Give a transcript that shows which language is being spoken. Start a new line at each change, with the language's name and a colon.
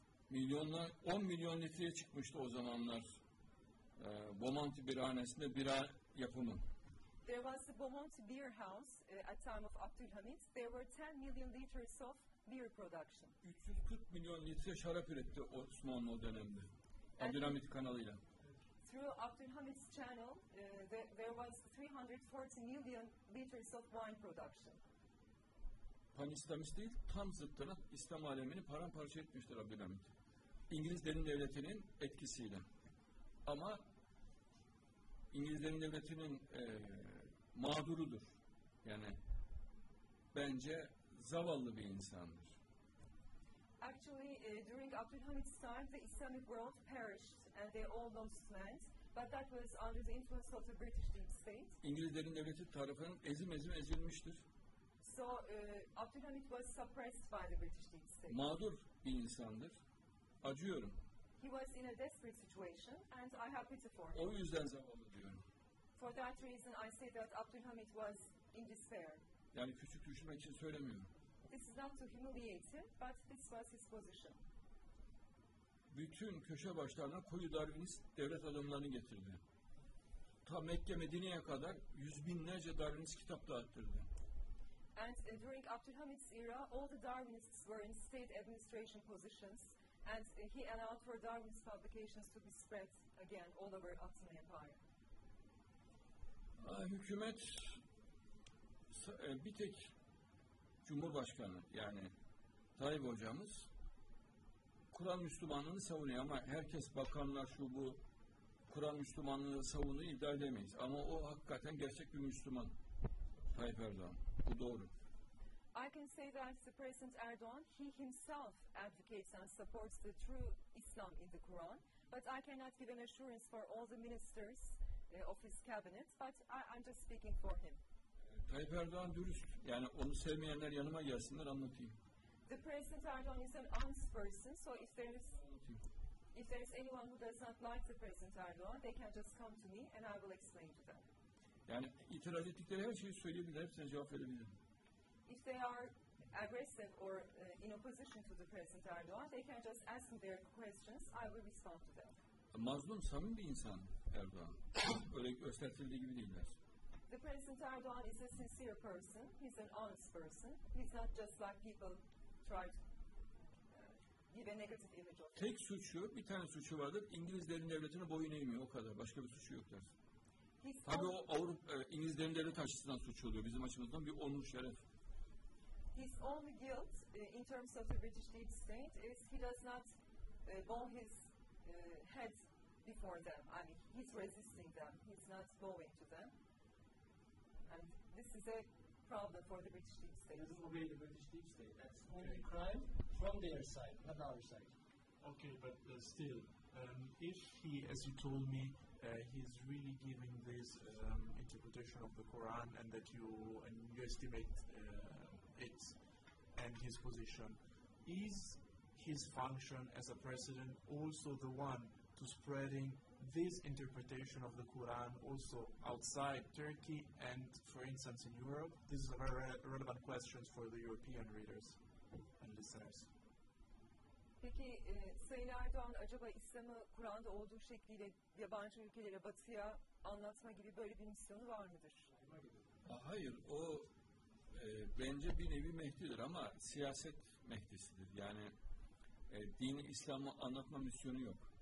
Turkish: Milyonlar, 10 milyon litreye çıkmıştı o zamanlar Bomonti birhanesinde bira yapımı.
English: There was the Bomonti beer house at time of Abdülhamit. There were 10 million liters of beer production.
Turkish: 340 milyon litre şarap üretti Osmanlı o dönemde. Abdülhamit kanalıyla.
English: Through Abdülhamit's channel there was 340 million liters of wine production.
Turkish: Pan-İslamist değil, tam zıttına İslam alemini paramparça etmiştir Abdülhamit. İngiliz derin devletinin etkisiyle. Ama İngiliz derin devletinin mağdurudur. Yani bence zavallı bir insandır.
English: Actually, during Abdülhamit's time, the Islamic world perished and they all lost lands. But that was under the influence of the British deep state.
Turkish: İngiliz derin devleti tarafından ezim ezim ezilmiştir.
English: So Abdülhamit was suppressed by the British deep state.
Turkish: Mağdur bir insandır. Acıyorum.
English: He was in a desperate situation and I have pity for him.
Turkish: O yüzden zavallı diyorum.
English: For that reason I say that Abdülhamit was in despair.
Turkish: Yani küçük düşmek için söylemiyorum.
English: This is not to humiliate him, but this was his position.
Turkish: Bütün köşe başlarına koyu Darwinist devlet adamlarını getirdi. Ta Mekke Medine'ye kadar yüz binlerce Darwinist kitap dağıttırdı.
English: And during Abdülhamit's era all the Darwinists were in state administration positions. And he allowed for Darwinist publications to be spread again all over the Ottoman Empire.
Turkish: Hükümet bir tek Cumhurbaşkanı yani Tayyip Hocamız Kur'an Müslümanlığını savunuyor ama herkes bakanlar şu bu Kur'an Müslümanlığı savunuyor iddia edemeyiz. Ama o hakikaten gerçek bir Müslüman Tayyip Erdoğan. Bu doğru.
English: I can say that the President Erdogan, he himself advocates and supports the true Islam in the Quran, but I cannot give an assurance for all the ministers of his cabinet, but I'm just speaking for him.
Turkish: Tayyip Erdoğan dürüst. Yani onu sevmeyenler yanıma gelsinler anlatayım.
English: The President Erdogan is an honest person, so if there is anyone who does not like the President Erdogan, they can just come to me and I will explain to them.
Turkish: Yani itiraz ettikleri her şeyi söyleyebilir, hepsine cevap verebilirim.
English: If they are aggressive or in opposition to the President Erdogan, they can just ask me their questions. I will respond to them.
Turkish: Mazlum, samimi bir insan Erdoğan. Öyle gösterildiği gibi değiller.
English: the President Erdogan is a sincere person. He's an honest person. He's not just like people try to give a negative image of him.
Turkish: Tek suçu, bir tane suçu vardır. İngilizlerin devletine boyun eğmiyor, o kadar. Başka bir suçu yok dersin. Tabii o Avrupa, İngilizlerin devleti açısından suç oluyor. Bizim açımızdan bir onur şeref.
English: His only guilt in terms of the British deep state is he does not bow his head before them. I mean, he's resisting them. He's not bowing to them. And this is a problem for the British deep state. He doesn't obey the British deep state. That's only okay. Crime from their side, not our side. Okay, but still, if he, as you told me, he's really giving this interpretation of the Quran and that you estimate it and his position. Is his function as a president also the one to spreading this interpretation of the Quran also outside Turkey and, for instance, in Europe? This is a very relevant question for the European readers and listeners.
Turkish: Peki Sayın Erdoğan acaba İslam'ı Kur'an'da olduğu şekliyle yabancı ülkelere, Batı'ya anlatma gibi böyle bir misyonu var mıdır? Hayır, o bence bir nevi Mehdi'dir ama siyaset Mehdi'sidir. Yani dini İslam'ı anlatma misyonu yok.